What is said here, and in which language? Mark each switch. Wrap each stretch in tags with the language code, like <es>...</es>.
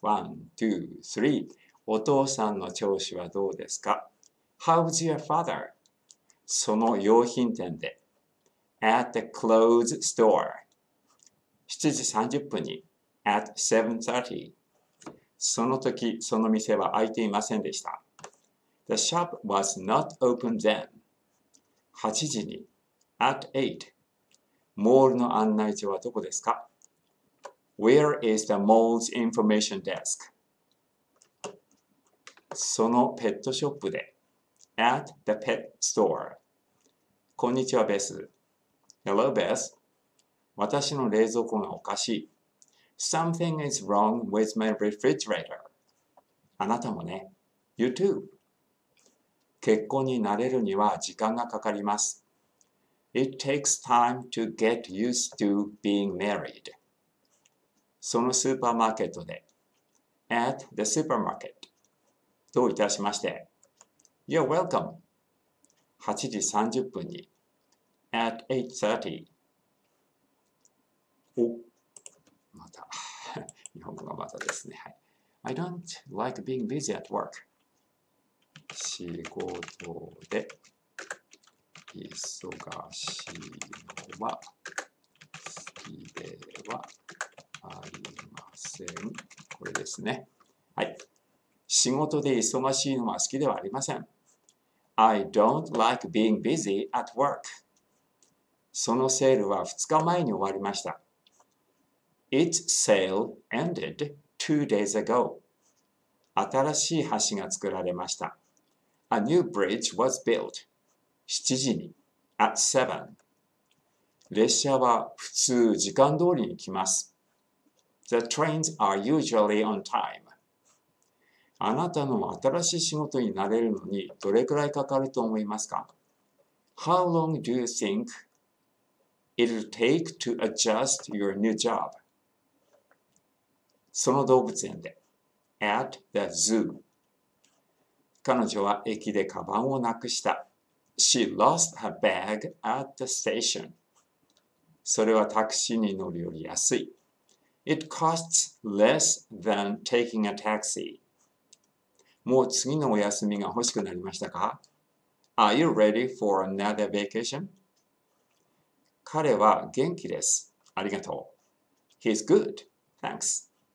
<ja>ワン、ツー、スリー。お父さんの調子はどうですか？</ja> <en>How's your father?</en> <ja>その洋品店で。</ja> <en>At the clothes store。</en> <ja>7時30分に。</ja> <en>At 7:30。</en> <ja>その時、その店は開いていませんでした。</ja> <en>The shop was not open then.</en> <ja>8時に。</ja> <en>At 8.</en> <ja>モールの案内所はどこですか？</ja> <en>Where is the mall's information desk?</en> <ja>そのペットショップで。</ja> <en>At the pet store.</en> <ja>こんにちは、ベス。</ja> <en>Hello, Beth.</en> <ja>私の冷蔵庫がおかしい。</ja> <en>Something is wrong with my refrigerator.</en> <ja>あなたもね。</ja> <en>You too.</en> <ja>結婚に慣れるには時間がかかります。</ja> <en>It takes time to get used to being married.</en> <ja>そのスーパーマーケットで。</ja> <en>At the supermarket.</en> <ja>どういたしまして。</ja> <en>You're welcome.</en> <ja>8時30分に。</ja> <en>At 8:30.</en> <ja>お、また。日本語がまたですね。はい。</ja> <en>I don't like being busy at work.</en> <ja>仕事で。忙しいのは好きではありません。これですね。はい。仕事で忙しいのは好きではありません。</ja> <en>I don't like being busy at work.</en> <ja>そのセールは2日前に終わりました。</ja> <en>Its sale ended 2 days ago.</en> <ja>新しい橋が作られました。</ja> <en>A new bridge was built.</en> <ja>7時に。</ja> <en>At 7.</en> <ja>列車は普通時間通りに来ます。</ja> <en>The trains are usually on time.</en> <ja>あなたの新しい仕事になれるのにどれくらいかかると思いますか ?</ja> <en>How long do you think it'll take to adjust your new job?</en> <ja>その動物園で。</ja> <en>At the zoo.</en> <ja>彼女は駅でカバンをなくした。</ja> <en>She lost her bag at the station.</en> <ja>それはタクシーに乗るより安い。</ja> <en>It costs less than taking a taxi.</en> <ja>もう次のお休みが欲しくなりましたか?</ja> <en>Are you ready for another vacation?</en> <ja>彼は元気です。ありがとう。</ja> <en>He's good. Thanks.</en>